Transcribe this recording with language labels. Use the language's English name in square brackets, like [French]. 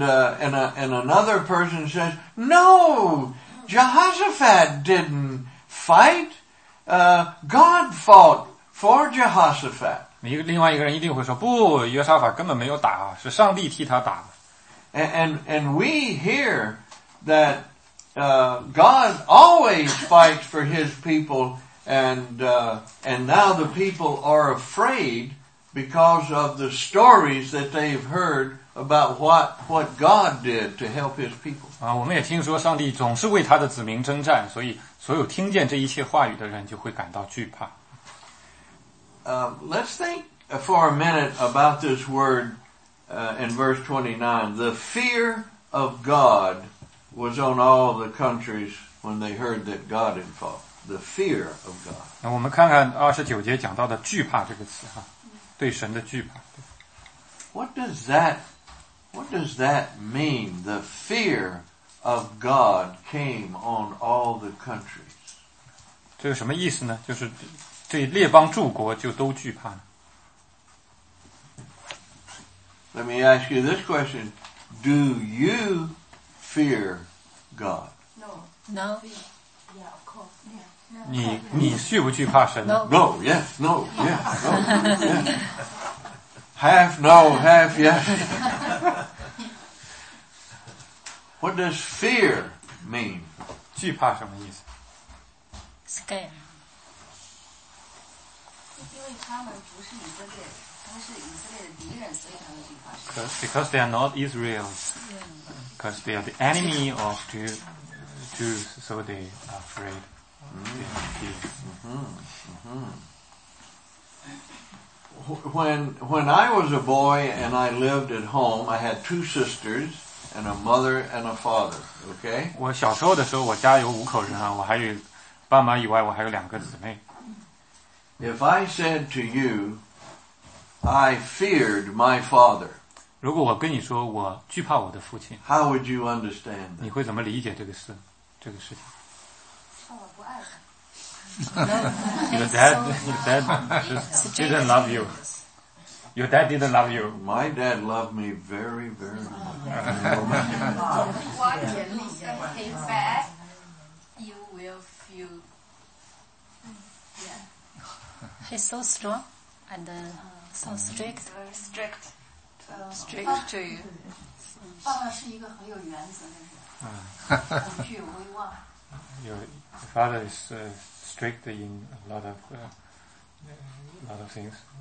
[English] another person says, "No." Jehoshaphat didn't fight. God fought for Jehoshaphat. [Chinese] 另外一个人一定会说，不，约沙法根本没有打，是上帝替他打的。 [English] And we hear that God always fights for His people, and now the people are afraid because of the stories that they've heard about what God did to help His people. [Chinese] 我们也听说上帝总是为他的子民征战, 所以所有听见这一切话语的人就会感到惧怕。 [English] Let's think for a minute about this word in verse 29. The fear of God was on all the countries when they heard that God had fought. The fear of God. [Chinese] 那我们看看29节讲到的惧怕这个词哈, 对神的惧怕。 [English] What does that mean? The fear of God came on all the countries. [Chinese] 这是什么意思呢?就是这列邦诸国就都惧怕呢? [English] Let me ask you this question. Do you fear God? No. No. Yeah, of course. Yeah. [Chinese] 你惧不惧怕神? [English] No. No, yes, no, yes, no. Yes. Half no, half yes. What does fear mean? [Chinese] 惧怕什么意思? [English] Scared. [Chinese] 因为他们不是以色列，他们是以色列的敌人，所以他们惧怕神。 [English] Because they are not Israel. Because they are the enemy of Jews, so they are afraid. When I was a boy and I lived at home, I had two sisters and a mother and a father, okay? [Chinese] 我小时候的时候，我家有五口人啊，我还有爸妈以外，我还有两个姊妹。 [English] If I said to you, I feared my father, [Chinese] 如果我跟你说我惧怕我的父亲, [English] how would you understand that? [Chinese] 你会怎么理解这个事情? Oh, [English] your dad didn't love you. Your dad didn't love you. My dad loved me very, very much. In fact, you will feel yeah. He's so strong and so strict. Strict. Strict to you. [Chinese] 爸爸是一个很有原则的人。 [English] Your father is strict in a lot of things.